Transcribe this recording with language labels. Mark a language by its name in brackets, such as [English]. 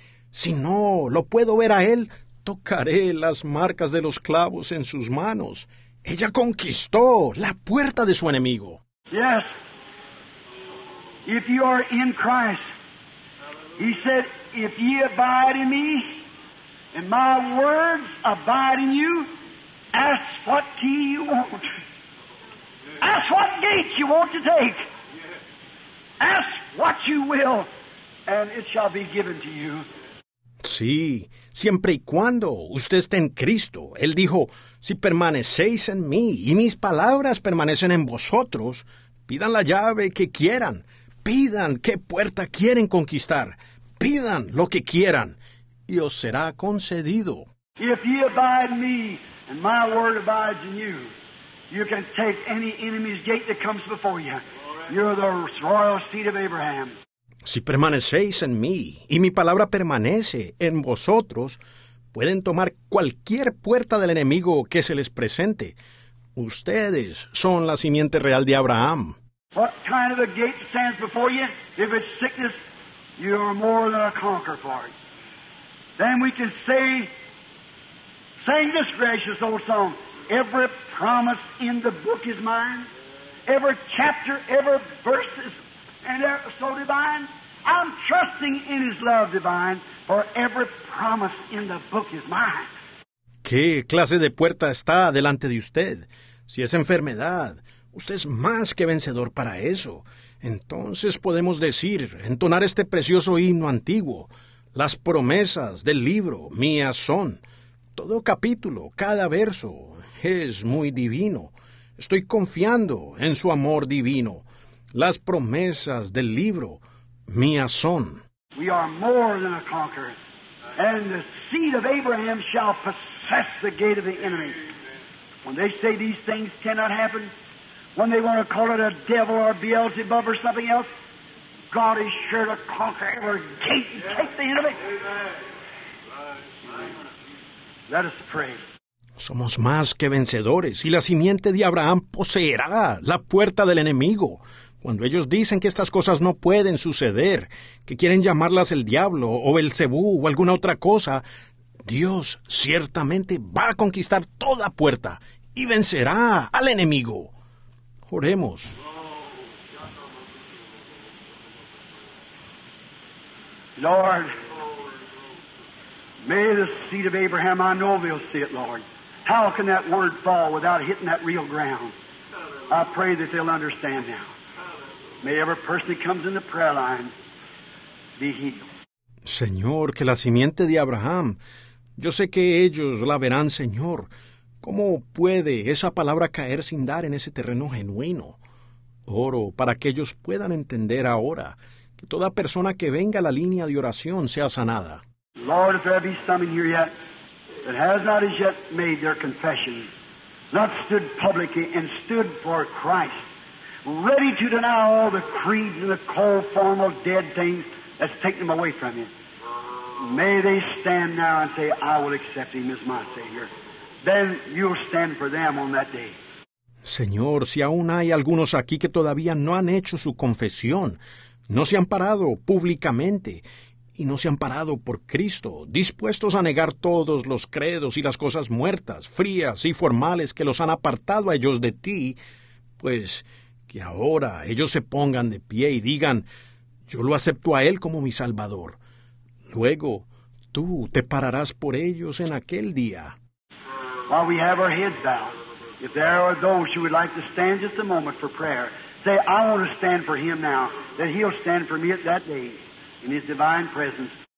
[Spanish] Si no lo puedo ver a él, tocaré las marcas de los clavos en sus manos. Ella conquistó la puerta de su enemigo. [English] Yes, if you are in Christ, he said, if ye abide in me, and my words abide in you, ask what ye want. Ask what gate you want to take. Ask what you will, and it shall be given to you. [Spanish] Sí, siempre y cuando usted esté en Cristo. Él dijo, si permanecéis en mí y mis palabras permanecen en vosotros, pidan la llave que quieran, pidan qué puerta quieren conquistar, pidan lo que quieran, y os será concedido. [English] If ye abide in me, and my word abides in you, you can take any enemy's gate that comes before you. You're the royal seed of Abraham. [Spanish] Si permanecéis en mí, y mi palabra permanece en vosotros, pueden tomar cualquier puerta del enemigo que se les presente. Ustedes son la simiente real de Abraham. [English] What kind of a gate stands before you? If it's sickness, you're more than a conqueror for it. Then we can say, sing this gracious old song. Every promise in the book is mine. Every chapter, every verse is and so divine. I'm trusting in his love divine, for every promise in the book is mine. [Spanish] ¿Qué clase de puerta está delante de usted? Si es enfermedad, usted es más que vencedor para eso. Entonces podemos decir, entonar este precioso himno antiguo. Las promesas del libro mías son. Todo capítulo, cada verso... Es muy divino. Estoy confiando en su amor divino. Las promesas del libro mías son. [English] We are more than a conqueror. And the seed of Abraham shall possess the gate of the enemy. When they say these things cannot happen, when they want to call it a devil or Beelzebub or something else, God is sure to conquer every gate and take the enemy. Let us pray. [Spanish] Somos más que vencedores, y la simiente de Abraham poseerá la puerta del enemigo. Cuando ellos dicen que estas cosas no pueden suceder, que quieren llamarlas el diablo o Belcebú o alguna otra cosa, Dios ciertamente va a conquistar toda puerta y vencerá al enemigo. Oremos. [English] Lord, may the seed of Abraham, I know they'll see it, Lord. How can that word fall without hitting that real ground? I pray that they'll understand now. May every person that comes in the prayer line be healed. [Spanish] Señor, que la simiente de Abraham, yo sé que ellos la verán, Señor. ¿Cómo puede esa palabra caer sin dar en ese terreno genuino? Oro para que ellos puedan entender ahora que toda persona que venga a la línea de oración sea sanada. [English] Lord, if there be some in here yet that has not as yet made their confession, not stood publicly and stood for Christ, ready to deny all the creeds and the cold form of dead things that's taken them away from you. May they stand now and say, I will accept him as my Savior. Then you'll stand for them on that day. [Spanish] Señor, si aún hay algunos aquí que todavía no han hecho su confesión, no se han parado públicamente y no se han parado por Cristo, dispuestos a negar todos los credos y las cosas muertas, frías y formales que los han apartado a ellos de ti, pues que ahora ellos se pongan de pie y digan, yo lo acepto a Él como mi Salvador. Luego, tú te pararás por ellos en aquel día. [English] While we have our heads bowed, if there are those who would like to stand just a moment for prayer, say, I want to stand for Him now, that He'll stand for me at that day in His divine presence.